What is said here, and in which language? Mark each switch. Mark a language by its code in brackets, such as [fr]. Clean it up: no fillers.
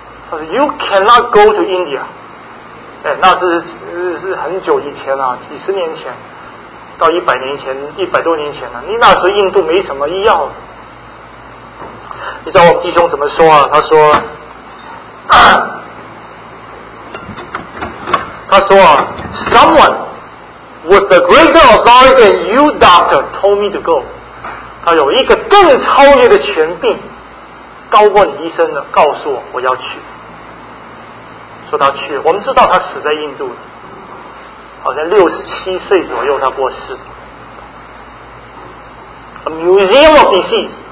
[zh] 他说 [en] ，You cannot go to India。 [zh] 哎，那是很久以前啊，几十年前，到一百年前，一百多年前了、啊。你那时候印度没什么医药。你知道我弟兄怎么说啊？他说， [en] Someone with the greater authority than you, doctor, told me to go。 [zh] 他有一个更超越的权柄，高过你医生的，告诉我我要去。说他去，我们知道他死在印度了，好像67岁左右他过世。 [en] A museum of disease。